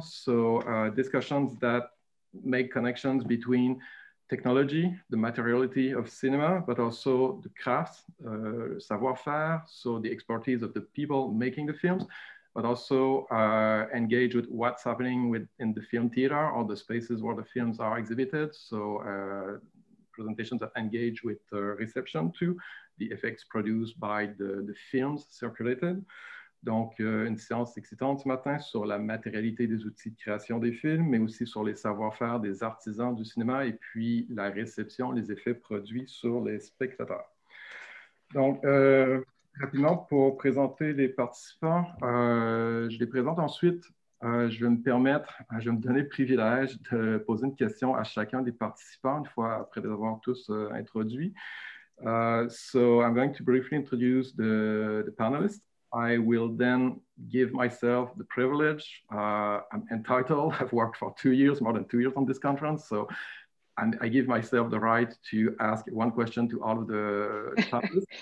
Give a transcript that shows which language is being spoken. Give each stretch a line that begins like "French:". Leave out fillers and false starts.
English: So discussions that make connections between technology, the materiality of cinema, but also the crafts, savoir-faire, so the expertise of the people making the films, but also engage with what's happening within the film theater or the spaces where the films are exhibited. So presentations that engage with reception to the effects produced by the films circulated.
French: Donc, une séance excitante ce matin sur la matérialité des outils de création des films, mais aussi sur les savoir-faire des artisans du cinéma et puis la réception, les effets produits sur les spectateurs. Donc, rapidement, pour présenter les participants, je les présente ensuite. Je vais me donner le privilège de poser une question à chacun des participants une fois après les avoir tous introduits.
English: So, I'm going to briefly introduce the panelists. I will then give myself the privilege. I'm entitled, I've worked for 2 years, more than 2 years on this conference. So, and I give myself the right to ask one question to all of the panelists.